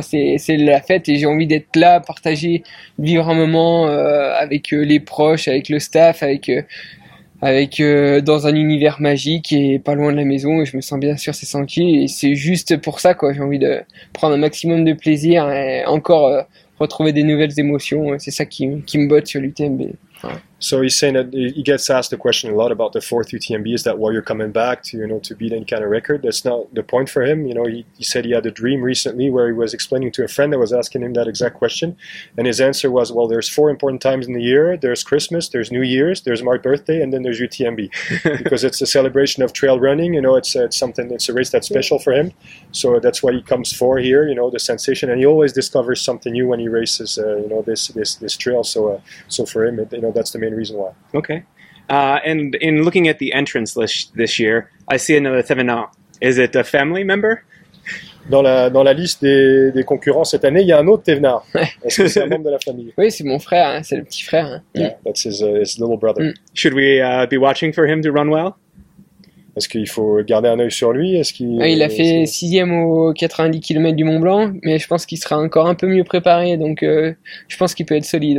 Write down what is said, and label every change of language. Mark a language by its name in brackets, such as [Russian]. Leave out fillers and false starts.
[French] C'est la fête et j'ai envie d'être là, partager, vivre un moment avec les proches, avec le staff, dans un univers magique et pas loin de la maison, et je me sens bien sur ces sentiers, et c'est juste pour ça, quoi. J'ai envie de prendre un maximum de plaisir et encore retrouver des nouvelles émotions, et c'est ça qui me botte sur l'UTMB. [English] So he's saying that he gets asked the question a lot about the fourth UTMB, is that why you're coming back to, you know, to beat any kind of record? That's not the point for him. You know, he said he had a dream recently where he was explaining to a friend that was asking him that exact question. And his answer was, well, there's four important times in the year. There's Christmas, there's New Year's, there's my birthday, and then there's UTMB. Because it's a celebration of trail running. You know, it's a race that's special for him. So that's what he comes for here, you know, the sensation. And he always discovers something new when he races, you know, this trail. So for him, you know, that's the main reason why. Okay. And in looking at the entrance list this year, I see another Thévenard. Is it a family member? [French] Dans la liste des concurrents cette année, il y a un autre Thévenard. Est-ce que c'est un membre de la famille? Oui, c'est mon frère, hein? C'est le petit frère. Hein? [English] Yeah, that's his little brother. Should we be watching for him to run well? [French] Est-ce qu'il faut garder un œil sur lui? Est-ce qu'il... Ouais, il a fait 6e au 90 km du Mont Blanc, mais je pense qu'il sera encore un peu mieux préparé, donc je pense qu'il peut être solide.